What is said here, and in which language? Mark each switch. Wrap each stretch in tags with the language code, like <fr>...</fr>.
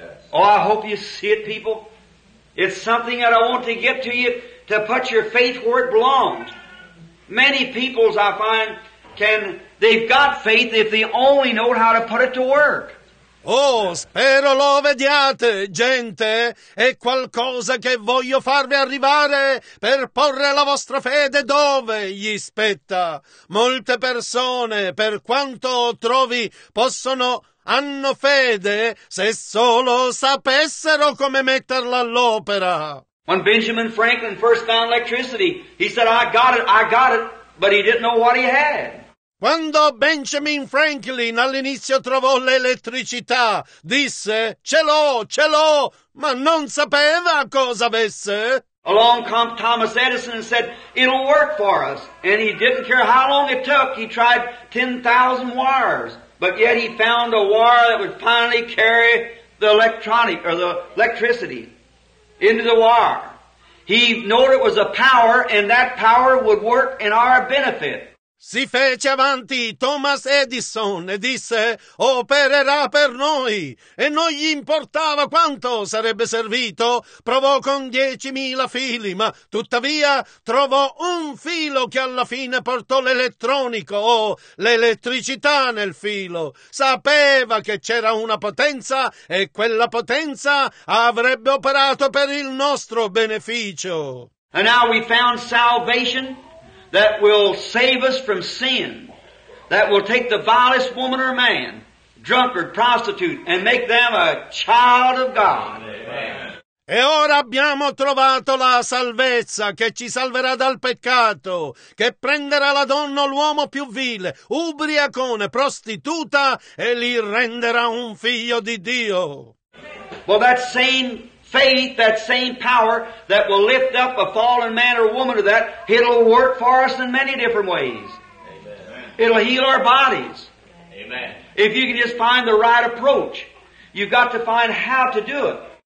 <en>Oh, I hope you see it, people. It's something that I want to get to you to put your faith where it belongs. Many peoples, I find, can... They've got faith if they only know how to put it to work.</en> <it>Oh, spero lo vediate, gente. È qualcosa che voglio farvi arrivare per porre la vostra fede dove gli spetta. Molte persone, per quanto trovi, possono... hanno fede se solo sapessero come metterla all'opera.</it> <en>When Benjamin Franklin first found electricity, he said, I got it, but he didn't know what he had.</en> <it>Quando Benjamin Franklin all'inizio trovò l'elettricità, disse, ce l'ho, ma non sapeva cosa avesse.</it> <en>Along came Thomas Edison and said, it'll work for us. And he didn't care how long it took, he tried 10,000 wires. But yet he found a wire that would finally carry the electronic or the electricity into the wire. He knew it was a power, and that power would work in our benefit.</en> <it>Si fece avanti Thomas Edison e disse, opererà per noi. E non gli importava quanto sarebbe servito. Provò con 10.000 fili, ma tuttavia trovò un filo che alla fine portò l'elettronico o l'elettricità nel filo. Sapeva che c'era una potenza e quella potenza avrebbe operato per il nostro beneficio.</it> <en>And now we found salvation. That will save us from sin, that will take the vilest woman or man, drunkard, prostitute, and make them a child of God.</en> <it>E ora abbiamo trovato la salvezza che ci salverà dal peccato, che prenderà la donna o l'uomo più vile, ubriacone, prostituta, e li renderà un figlio di Dio.</it> <en>Well, that same faith, that same power that will lift up a fallen man or woman to that, it'll work for us in many different ways. Amen. It'll heal our bodies. Amen. If you can just find the right approach, you've got to find how to do it.</en>